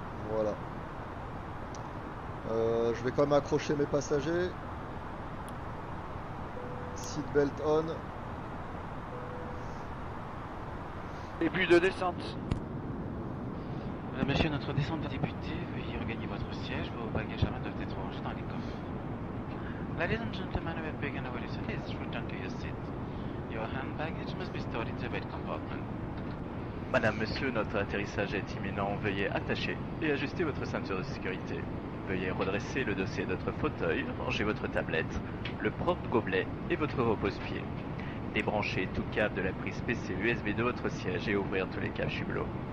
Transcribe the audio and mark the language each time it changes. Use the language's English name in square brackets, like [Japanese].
[French] Voilà. Je vais quand même accrocher mes passagers. [English] Seatbelt on. [French] Début de descente. Monsieur, notre descente a débuté. Veuillez regagner votre siège. Vos bagages à main doivent être rangés dans les coffres. [English] Ladies and gentlemen, we begin our descent. Please return to your seat. Your hand baggage must be stored in the weight compartment. [French] Madame, monsieur, notre atterrissage est imminent. Veuillez attacher et ajuster votre ceinture de sécurité. Veuillez redresser le dossier de votre fauteuil, ranger votre tablette, le propre gobelet et votre repose-pied. Débranchez tout câble de la prise PC USB de votre siège et ouvrir tous les câbles hublots.